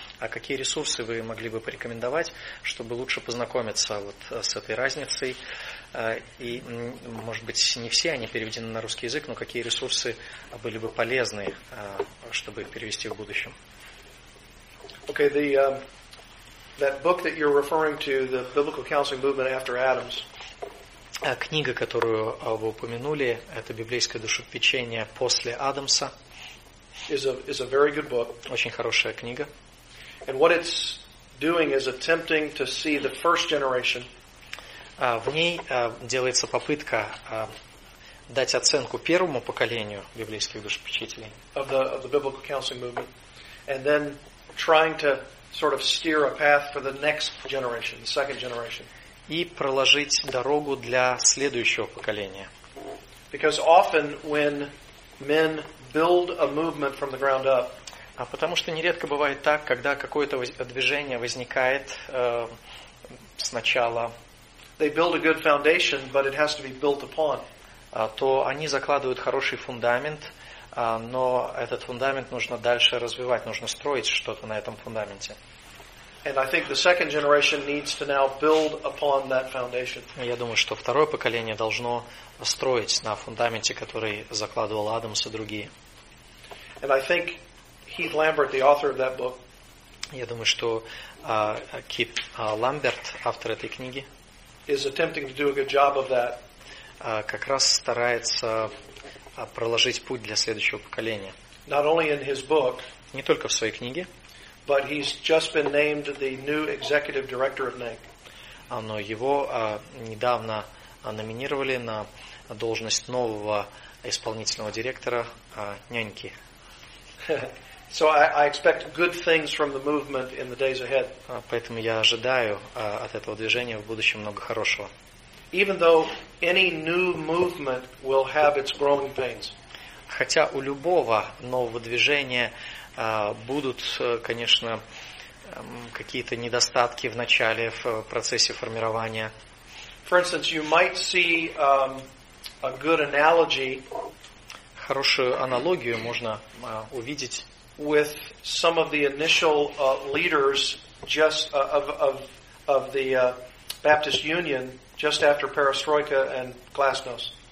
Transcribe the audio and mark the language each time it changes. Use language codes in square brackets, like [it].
[ru] А какие ресурсы вы могли бы порекомендовать, чтобы лучше познакомиться вот с этой разницей? И, может быть, не все они переведены на русский язык, но какие ресурсы были бы полезны, чтобы их перевести в будущем? [en] Okay, the that book that you're referring to, the Biblical Counseling Movement After Adams. [ru] Книга, которую вы упомянули, это «Библейское душепопечение после Адамса». [en] Is a very good book. [ru] Очень хорошая книга. [en] And what it's doing is attempting to see the first generation. [ru] В ней делается попытка дать оценку первому поколению библейских душепопечителей. [en] Of the biblical counseling movement, and then trying to sort of steer a path for the next generation, the second generation. [ru] И проложить дорогу для следующего поколения. [en] Because often when men build a movement from the ground up. [ru] А потому что нередко бывает так, когда какое-то движение возникает сначала. [en] They build a good foundation, but it has to be built upon. [ru] То они закладывают хороший фундамент, но этот фундамент нужно дальше развивать, нужно строить что-то на этом фундаменте. [en] And I think the second generation needs to now build upon that foundation. [ru] Я думаю, что второе поколение должно строить на фундаменте, который закладывал Адамс и другие. [en] And I think Heath Lambert, the author of that book. [ru] Я думаю, что Кит Ламберт, автор этой книги. [en] Is attempting to do a good job of that. [ru] Как раз старается проложить путь для следующего поколения. [en] Not only in his book, [ru] не только в своей книге, [en] but he's just been named the new executive director of NAIC. [ru] Но его недавно номинировали на должность нового исполнительного директора няньки. [en] So I expect good things from the movement in the days ahead. [ru] Поэтому я ожидаю от этого движения в будущем много хорошего. [en] Even though any new movement will have its growing pains. [ru] Хотя у любого нового движения будут, конечно, какие-то недостатки в начале, в процессе формирования. [en] For instance, you might see a good analogy. [ru] Хорошую аналогию можно увидеть. [en] With some of the initial leaders just of the Baptist Union just after Perestroika and Glasnost.